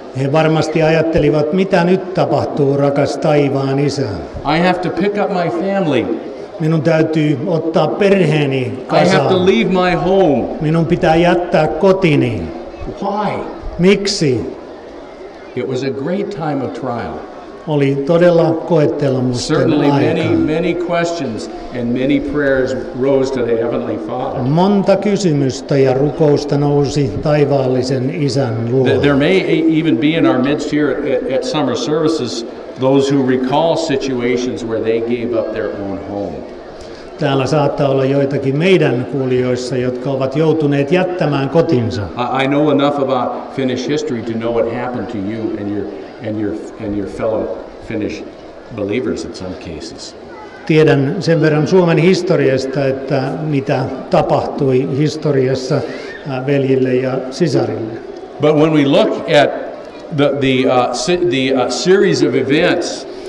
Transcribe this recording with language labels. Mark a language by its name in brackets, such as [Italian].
[Finnish] He varmasti ajattelivat, mitä nyt tapahtuu, rakas taivaan isä? [English] I have to pick up my family. [Finnish] Minun täytyy ottaa perheeni kasaan. [English] I have to leave my home. [Finnish] Minun pitää jättää kotini. [English] Why? [Finnish] Miksi? [English] It was a great time of trial. [Finnish] Oli todella koettelemusten aika. [English] Certainly many, many questions and many prayers rose to the Heavenly Father. [Finnish] Monta kysymystä ja rukousta nousi taivaallisen isän luo. [English] There may even be in our midst here at summer services those who recall situations where they gave up their own home. [Finnish] Täällä saattaa olla joitakin meidän kuulijoissa, jotka ovat joutuneet jättämään kotinsa. [English] I know enough about Finnish history to know what happened to you and your fellow Finnish believers in some cases. [Finnish] Tiedän sen verran Suomen historiasta, että mitä tapahtui historiassa veljille ja sisarille. [English] But when we look at the series of events,